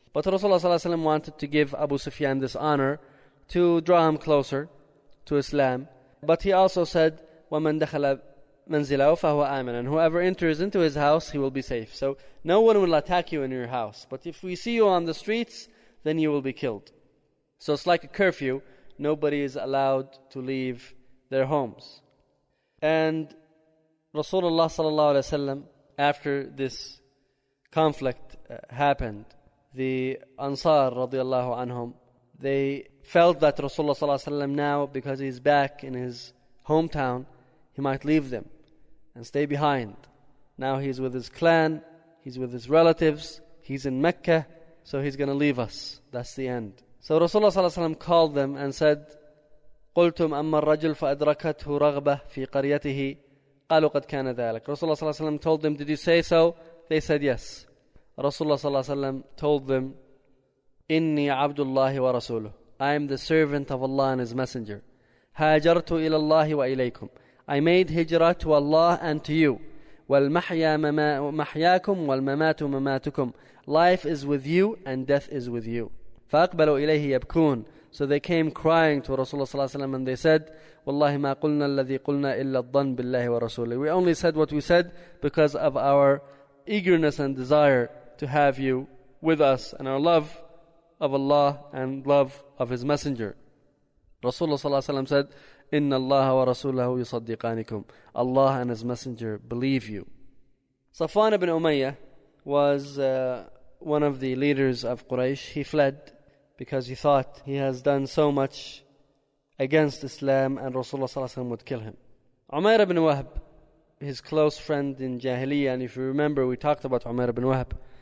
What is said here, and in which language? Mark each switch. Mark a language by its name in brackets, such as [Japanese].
[English] But Rasulullah ﷺ wanted to give Abu Sufyan this honor to draw him closer to Islam. But he also said, [Arabic] وَمَنْ دَخَلَ مَنْزِلَهُ فَهُوَ آمِنًا. [English] Whoever enters into his house, he will be safe. So no one will attack you in your house. But if we see you on the streets, then you will be killed. So it's like a curfew. Nobody is allowed to leave their homes. And Rasulullah ﷺ, after this conflict happened, the Ansar radiallahu anhum, they felt that Rasulullah ﷺ now, because he's back in his hometown, he might leave them and stay behind. Now he's with his clan, he's with his relatives, he's in Mecca, so he's going to leave us. That's the end. So Rasulullah ﷺ called them and said, [Arabic] قُلْتُمْ أَمَّا الرَّجُلْ فَأَدْرَكَتْهُ رَغْبَةٌ فِي قَرْيَتِهِ قَالُوا قَدْ كَانَ ذَلَكَ. [English] Rasulullah ﷺ told them, did you say so? They said yes. Rasulullah ﷺ told them, [Arabic] إِنِّي عَبْدُ اللَّهِ وَرَسُولُهُ. [English] I am the servant of Allah and His Messenger. [Arabic] هَاجَرْتُ إِلَى اللَّهِ وَإِلَيْكُمْ. [English] I made hijrah to Allah and to you. [Arabic] وَالْمَحْيَا مَحْيَاكُمْ وَالْمَمَاتُ مَمَاتُكُمْ. [English] Life is with you and death is with you. [Arabic] فَأَقْبَلُوا إِلَيْهِ يَبْكُونَ. [English] So they came crying to Rasulullah ﷺ and they said, [Arabic] وَاللَّهِ مَا قُلْنَا الَّذِي قُلْنَا إِلَّا الظَّنْ بِاللَّهِ وَرَسُولِهِ. [English] We only said what we said because of our eagerness and desire to have you with us and our love of Allah and love of His Messenger. Rasulullah ﷺ said, [Arabic] إِنَّ اللَّهَ وَرَسُولَهُ يُصَدِّقَانِكُمْ. [English] Allah and His Messenger believe you. Safwan ibn Umayyah was one of the leaders of Quraysh. He fled because he thought he has done so much against Islam and Rasulullah ﷺ would kill him. Umayr ibn Wahb, his close friend in Jahiliyyah, and if you remember, we talked about Umayr ibn Wahb.